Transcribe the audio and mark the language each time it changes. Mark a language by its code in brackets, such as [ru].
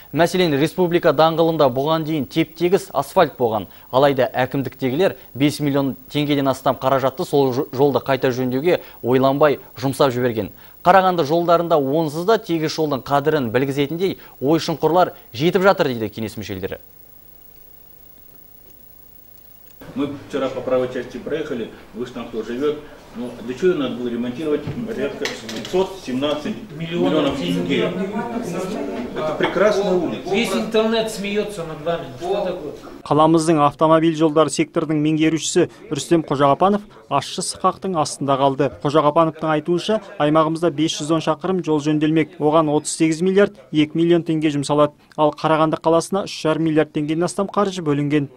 [kk] Мәселен, республика даңғылында бұған дейін теп-тегіс асфальт болған. Алайда әкімдіктегілер 5 миллион теңгеден астам қаражатты сол жолды қайта жөндеуге ойланбай жұмсап жіберген. Қарағанды жолдарында онсыз да тегіс жолдың қадірін білгізетіндей ой-шұңқырлар жетіп жатыр, дейді кеңес мүшелері. [ru] Мы вчера по правой части проехали, вышли там, кто живет. Ну, для чего надо было ремонтировать порядка 517 миллионов тенге? Это прекрасная улица. Весь интернет смеется над вами. Что такое? [kk] Қаламыздың автомобиль жолдары сектордың меңгерушісі Рүстем Қожағапанов ащы сықақтың астында қалды. Қожағапановтың айтуынша, аймағымызда 510 шақырым жол жөнделмек, оған 38 миллиард 2 миллион теңге жұмсалады. Ал Қарағанды қаласына 3,5 миллиард теңгеден астам қаржы бөлінген.